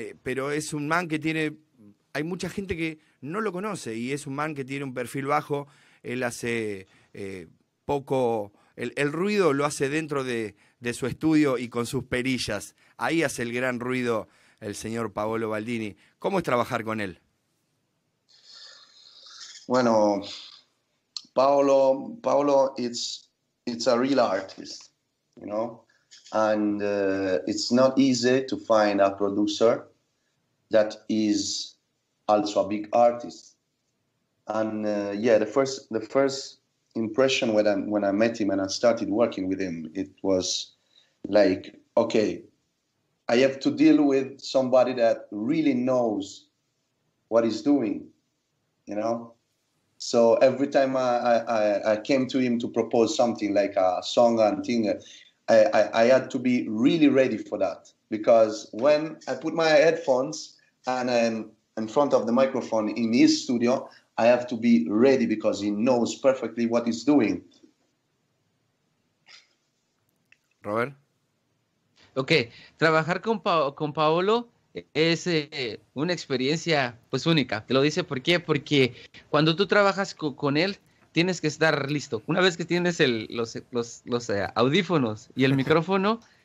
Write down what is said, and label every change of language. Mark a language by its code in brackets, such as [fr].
[es] Pero es un man que tiene, hay mucha gente que no lo conoce, y es un man que tiene un perfil bajo. Él hace poco, el ruido lo hace dentro de su estudio y con sus perillas. Ahí hace el gran ruido el señor Paolo Baldini. ¿Cómo es trabajar con él? [en] Bueno, Paolo it's a real artist, you know? And it's not easy to find a producer that is also a big artist. And yeah, the first impression when I met him and I started working with him, it was like, okay, I have to deal with somebody that really knows what he's doing, you know? So every time I came to him to propose something like a song and thing, I had to be really ready for that. Because when I put my headphones and I'm in front of the microphone in his studio, I have to be ready because he knows perfectly what he's doing. Robert? [es] Ok, trabajar con Paolo es una experiencia pues única. Te lo dice, ¿por qué? Porque cuando tú trabajas con él, tienes que estar listo. Una vez que tienes los audífonos y el micrófono,